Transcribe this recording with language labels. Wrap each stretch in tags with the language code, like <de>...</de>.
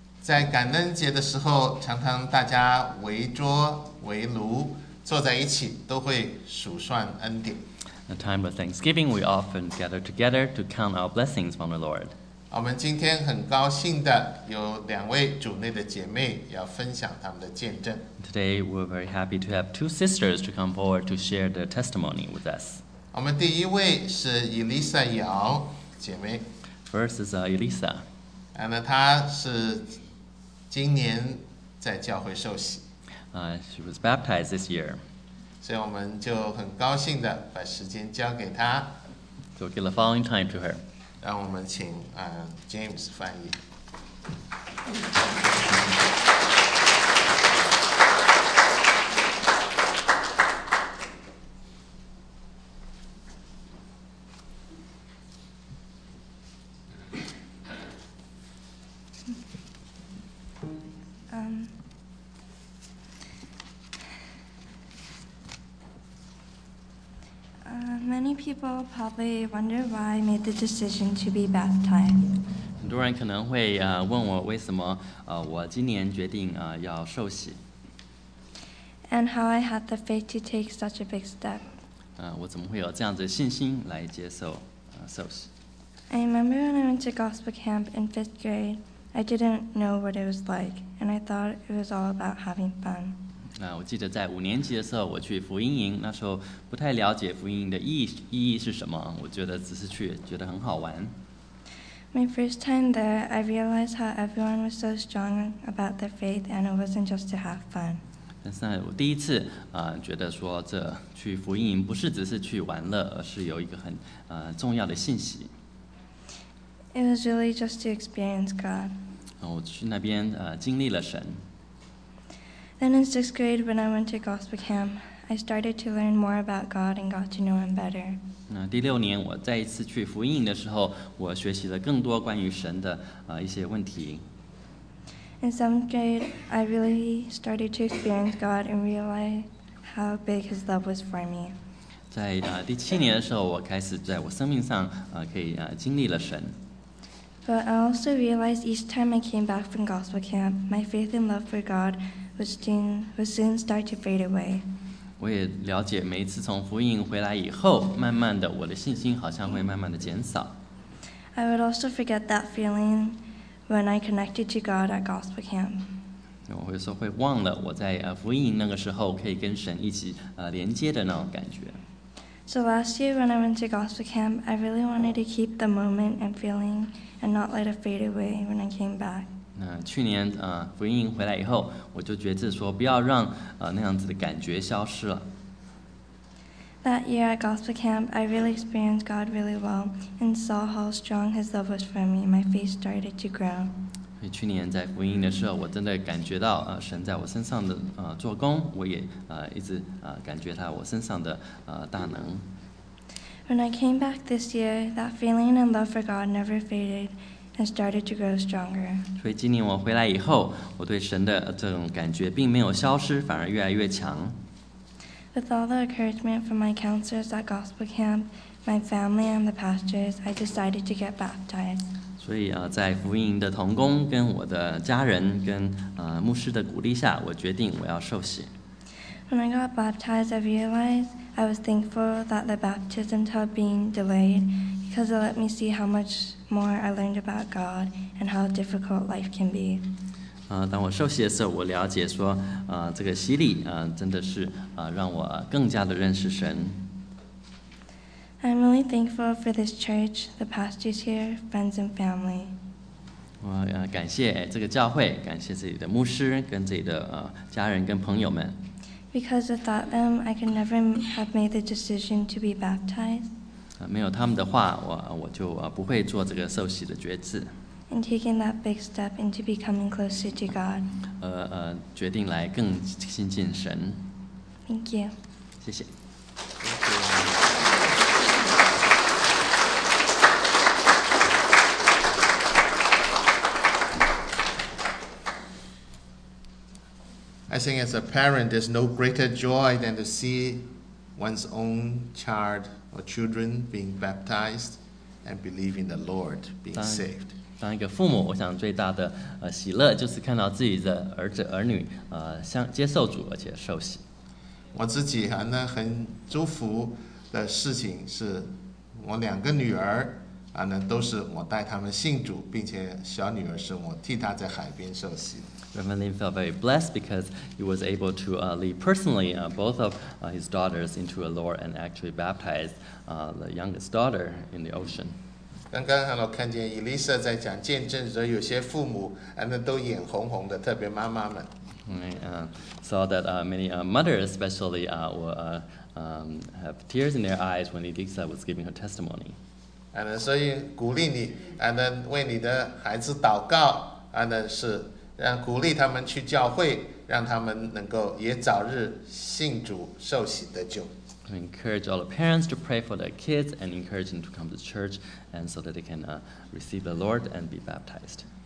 <zh>在感恩节的时候，常常大家围桌围炉坐在一起，都会数算恩典。</zh> <en>A time of Thanksgiving, we often gather together to count our blessings from the Lord.</en> <zh>我们今天很高兴的有两位主内的姐妹要分享他们的见证。</zh> <en>Today we're very happy to have two sisters to come forward to share their testimony with us.</en> <zh>我们第一位是伊丽莎瑶姐妹。</zh> <en>First is Elisa.</en> <zh>那她是今年在教会受洗。</zh> <en>She was baptized this year.</en> <zh>所以我们就很高兴的把时间交给她。</zh> <en>So give the following time to her.</en> <zh>让我们请James 翻译。</zh> <en>Many people probably wonder why I made the decision to be baptized.</en> <zh>很多人可能会问我为什么我今年决定要受洗。</zh> <en>And how I had the faith to take such a big step.</en> <zh>我怎么会有这样子的信心来接受受洗。</zh> <en>I remember when I went to gospel camp in fifth grade, I didn't know what it was like, and I thought it was all about having fun.</en> <zh>我记得在五年级的时候我去福音营，那时候不太了解福音营的意义是什么，我觉得只是去觉得很好玩。</zh> <en>My first time there, I realized how everyone was so strong about their faith and it wasn't just to have fun.</en> <zh>但是我第一次觉得说这去福音营不是只是去玩乐，而是有一个很重要的信息。</zh> <en>It was really just to experience God.</en> <zh>我去那边经历了神。</zh> <en>Then in sixth grade, when I went to gospel camp, I started to learn more about God and got to know Him better.</en> <zh>那第六年我再一次去福音营的时候，我学习了更多关于神的一些问题。</zh> <en>In seventh grade, I really started to experience God and realize how big His love was for me.</en> <zh>在第七年的时候，我开始在我生命上可以经历了神。</zh> <en>But I also realized each time I came back from gospel camp, my faith and love for God. Would soon start to fade away.</en> <zh>我也了解，每一次从福音回来以后，慢慢的，我的信心好像会慢慢的减少。</zh> <en>I would also forget that feeling when I connected to God at gospel camp.</en> <zh>我会说会忘了我在福音那个时候可以跟神一起连接的那种感觉。</zh> <en>So last year when I went to gospel camp, I really wanted to keep the moment and feeling and not let it fade away when I came back.</en> <zh>去年福音营回来以后，我就决志说不要让那样子的感觉消失了。</zh> <en>That year at gospel camp, I really experienced God really well and saw how strong His love was for me. My faith started to grow.</en> <zh>去年在福音营的时候，我真的感觉到神在我身上的做工，我也一直感觉他我身上的大能。</zh> <en>When I came back this year, that feeling and love for God never faded. And started to grow stronger.</en> <zh>所以今年我回来以后，我对神的这种感觉并没有消失，反而越来越强。</zh> <en>With all the encouragement from my counselors at gospel camp, my family and the pastors, I decided to get baptized.</en> <zh>所以在福音营的同工跟我的家人跟牧师的鼓励下，我决定我要受洗。</zh> <en>When I got baptized, I realized I was thankful that the baptism had been delayed. Because it let me see how much more I learned about God and how difficult life can be.</en> <zh>当我受洗的时候，我了解说，这个洗礼，真的是，让我更加的认识神。</zh> <en>I'm really thankful for this church, the pastors here, friends and family.</en> <zh>我感谢这个教会，感谢自己的牧师跟自己的家人跟朋友们。</zh> <en>Because without them, I could never have made the decision to be baptized.</en> <zh>没有他们的话，我就不会做这个受洗的决志。</zh> <en>And taking that big step into becoming closer to God.</en> <zh>决定来更亲近神。</zh> <en>Thank you.</en> <zh>谢谢。</zh> <en>I think as a parent, there's no greater joy than to see one's own child.Or children being baptized and believing the Lord being saved.</en> <zh>当一个父母，我想最大的喜乐就是看到自己的儿子儿女向接受主而且受洗。我自己还能很祝福的事情是我两个女儿呢都是我带他们信主，并且小女儿是我替她在海边受洗。</zh> <en>Reverend Lin felt very blessed because he was able to lead personally both of his daughters into the Lord and actually baptize the youngest daughter in the ocean.</en> <zh>刚刚我看见 Elisa 在讲见证，所以有些父母都眼红红的，特别妈妈们。</zh> <en>Saw that many mothers especially have tears in their eyes when Elisa was giving her testimony.</en> <zh>所以鼓励你为你的孩子祷告是让鼓励他们去教会，让他们能够也早日信主受洗得救。</zh> <en>I encourage all the parents to pray for their kids and encourage them to come to church and so that they can receive the Lord and be baptized.</en>